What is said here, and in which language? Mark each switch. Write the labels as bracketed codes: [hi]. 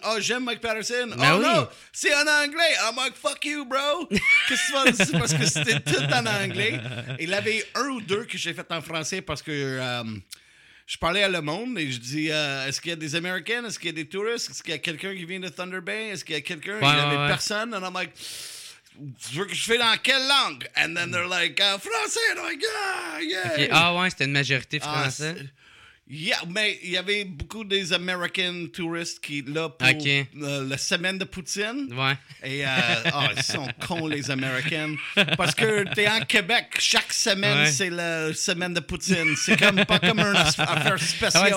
[fr] Oh, j'aime Mike Patterson. Mais oh non, c'est en anglais. [en] I'm like, fuck you, bro. [fr] Qu'est-ce que c'est parce que c'était tout en anglais. Il y avait un ou deux que j'ai fait en français parce que je parlais à Le Monde et je dis est-ce qu'il y a des Américains? Est-ce qu'il y a des touristes? Est-ce qu'il y a quelqu'un qui vient de Thunder Bay? Est-ce qu'il y a quelqu'un? Il n'y avait personne. Et [en] I'm like, [fr] tu veux que je fais dans quelle langue? [en] And then they're like, [fr] français, [en] I'm like, yeah, yeah. Okay. [fr] Ah ouais, c'était une majorité français. [en] Yeah, [fr] mais il y avait beaucoup des American touristes qui là pour la semaine de Poutine. Ouais. Et ils sont cons, les Américains. Parce que t'es en Québec, chaque semaine, c'est la semaine de Poutine. C'est comme pas comme une affaire spéciale.